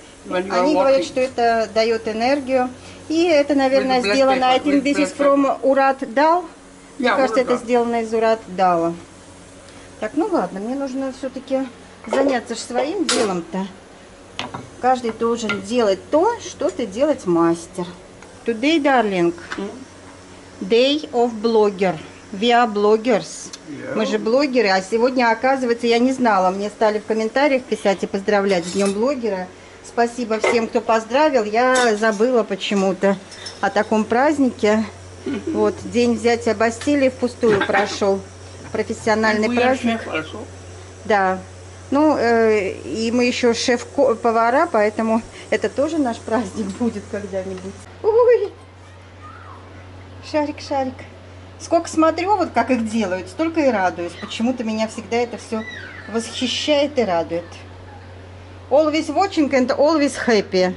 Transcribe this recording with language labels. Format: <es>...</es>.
<ru>Они говорят, что это дает энергию. И это, наверное, сделано.</ru> <en>I think this is from Urad Dal.</en> <ru>Мне кажется, это сделано из Урат Дала. Так, ну ладно, мне нужно все-таки заняться же своим делом-то. Каждый должен делать то, что ты делать мастер.</ru> <en>Today, darling, day of blogger. We are bloggers.</en> <ru>Мы же блогеры, а сегодня, оказывается, я не знала. Мне стали в комментариях писать и поздравлять с днем блогера. Спасибо всем, кто поздравил. Я забыла почему-то о таком празднике. Вот, день взятия Бастилии впустую прошел. Профессиональный праздник. Да. Ну, и мы еще шеф-повара, поэтому это тоже наш праздник будет когда-нибудь. Ой! Шарик-шарик. Сколько смотрю, вот как их делают, столько и радуюсь. Почему-то меня всегда это все восхищает и радует.</ru> <en>Always watching and always happy.</en>